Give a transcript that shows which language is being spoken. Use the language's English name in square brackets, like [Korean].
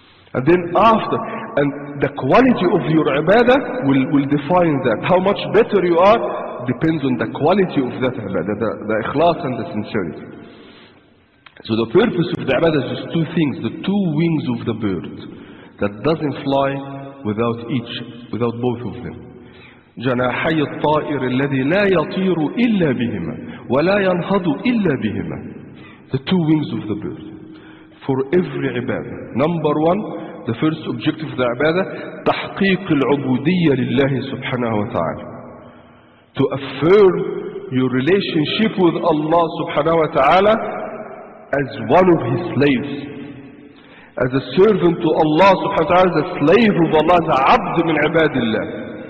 [English] And then after, and the quality of your ibadah will define that. How much better you are depends on the quality of that ibadah, the ikhlas and the sincerity. So the purpose of the ibadah is just two things, the two wings of the bird that doesn't fly without each, without both of them. [Arabic] جناحي الطائر الذي لا يطير إلا بهما ولا ينهض إلا بهما. [English] The two wings of the bird for every ibadah. Number one, the first objective of the ibadah, [Arabic] تحقيق العبودية لله سبحانه وتعالى. [English] To affirm your relationship with Allah subhanahu wa ta'ala as one of His slaves, as a servant to Allah subhanahu wa ta'ala, the slave of Allah, the abd min ibadillah.